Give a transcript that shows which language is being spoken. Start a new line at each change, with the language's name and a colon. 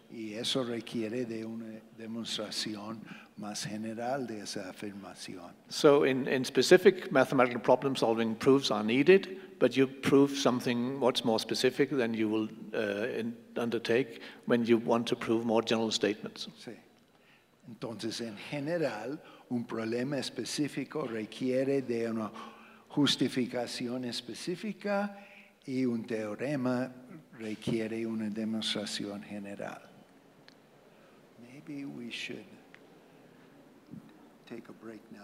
Spanish: Y eso requiere de una demostración más general de esa afirmación.
English: So in specific mathematical problem solving, proofs are needed, but you prove something much more specific than you will undertake when you want to prove more general statements.
Spanish: Sí. Entonces, en general, un problema específico requiere de una justificación específica y un teorema requiere una demostración general.
English: Maybe we should take a break now.